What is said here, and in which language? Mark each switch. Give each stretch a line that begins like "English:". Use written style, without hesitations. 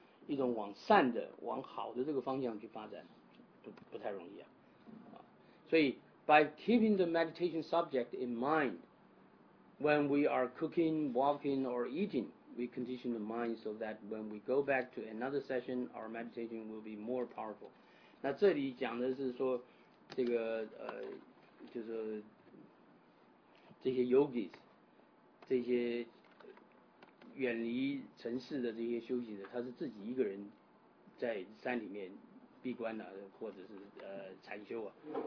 Chinese: 一种往善的往好的这个方向去发展就不太容易啊。
English: 所以 by keeping the meditation subject in mind when we are cooking, walking or eating, we condition the mind so that when we go back to another session our meditation will be more powerful。
Chinese: 那这里讲的是说这个就是这些 yogis 这些远离城市的这些修行的，他是自己一个人在山里面闭关啊，或者是禅修啊。